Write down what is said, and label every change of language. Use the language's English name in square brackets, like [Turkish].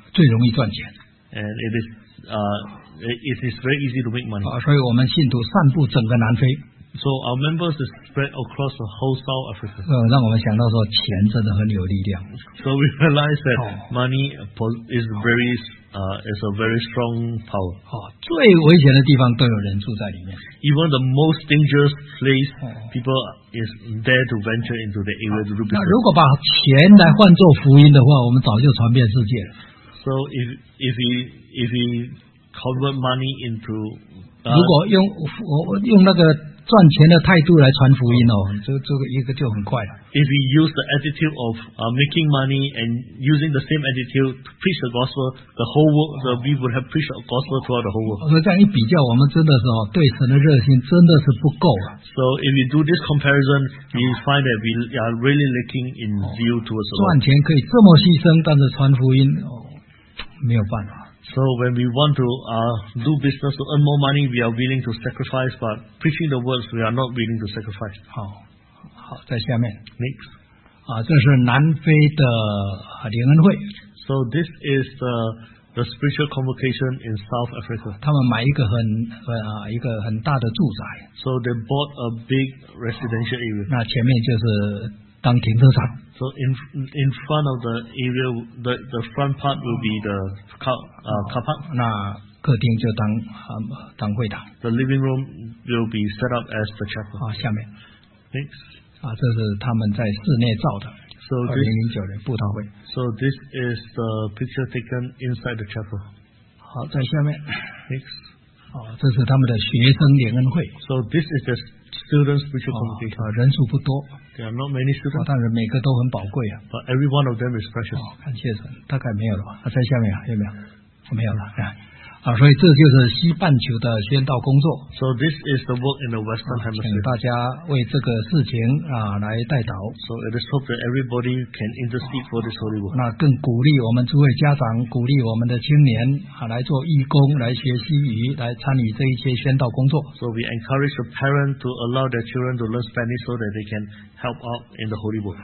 [Chinese] 最容易赚钱。 [English] And it is very easy to make money. [Chinese] 所以我们信徒散布整个南非。 [English] So our members is spread across the whole South Africa. [Chinese] 让我们想到说钱真的很有力量。 [English] So we realize that money is is a very strong power. [Chinese] 最危险的地方都有人住在里面。 [English] Even the most dangerous place, people is there to venture into the area to do business. [Chinese] 那如果把钱来换做福音的话，我们早就传遍世界了。 [English] So if we convert money into [Chinese] 如果用那个赚钱的态度来传福音这个一个就很快了。 [English] If we use the attitude of making money and using the same attitude to preach the gospel, the whole world, we would have preached the gospel throughout the whole world. [Chinese] 这样一比较，我们真的是对神的热心真的是不够啊。 [English] So if we do this comparison, we find that we are really lacking in zeal towards the Lord. [Chinese] 赚钱可以这么牺牲，但是传福音没有办法。 [English] So when we want to do business to earn more money, we are willing to sacrifice. But preaching the words, we are not willing to sacrifice. [Chinese] 好，在下面 [English] next [Chinese] 这是南非的联恩会。 [English] So this is the spiritual convocation in South Africa. [Chinese] 他们买一个很大的住宅。 [English] So they bought a big residential area. [Chinese] 那前面就是当停车场。 [English] So in front of the area, the front part will be the car park. [Chinese] 那客厅就当会堂。 [English] The living room will be set up as the chapel. [Chinese] 下面 [English] next [Chinese] 这是他们在室内造的。 [English] So [Chinese] 2009年布道会。 [English] So this is the picture taken inside the chapel. [Chinese] 好，在下面 [English] next [Chinese] 这是他们的学生联恩会。 [English] So this is the students' spiritual congregation. [Chinese] 人数不多。 [English] There are not many students. [Chinese] 但是每个都很宝贵啊。 [English] But every one of them is precious. [Chinese] 感谢神，大概没有了吧？在下面有没有？没有了。所以这就是西半球的宣道工作。 [English] So this is the work in the Western Hemisphere. [Chinese] 请大家为这个事情来代祷。 [English] So it is hoped that everybody can intercede for this holy work. [Chinese] 那更鼓励我们诸位家长，鼓励我们的青年来做义工，来学西语，来参与这一些宣道工作。 [English] So we encourage the parents to allow their children to learn Spanish so that they can help out in the holy book.